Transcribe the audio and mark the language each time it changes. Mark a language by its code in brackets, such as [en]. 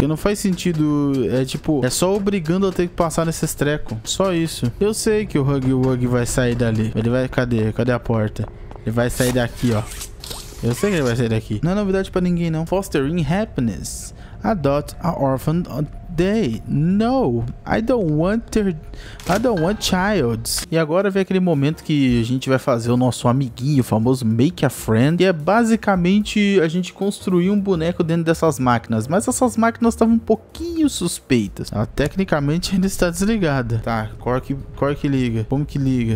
[pt] Que não faz sentido, é tipo, é só obrigando a ter que passar nesses trecos. Só isso. Eu sei que o Huggy Wuggy vai sair dali. Ele vai... Cadê? Cadê a porta? Ele vai sair daqui, ó. Eu sei que ele vai sair daqui. Não é novidade pra ninguém, não. [en] Fostering happiness. adopt an orphan day. No, I don't want their, I don't want child. [pt] E agora vem aquele momento que a gente vai fazer o nosso amiguinho, o famoso make a friend. E é basicamente a gente construir um boneco dentro dessas máquinas. Mas essas máquinas estavam um pouquinho suspeitas. Ela tecnicamente ainda está desligada. Tá, qual que liga? Como que liga?